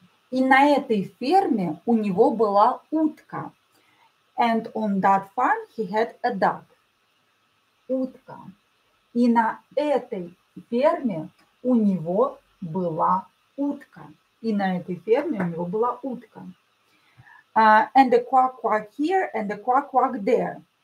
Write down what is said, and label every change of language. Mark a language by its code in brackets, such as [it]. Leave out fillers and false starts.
[ru] И на этой ферме у него была утка. [en] And on that farm he had a duck. [ru] Утка. И на этой ферме у него была утка. И на этой ферме у него была утка. [en] And the quack quack here and the quack quack there.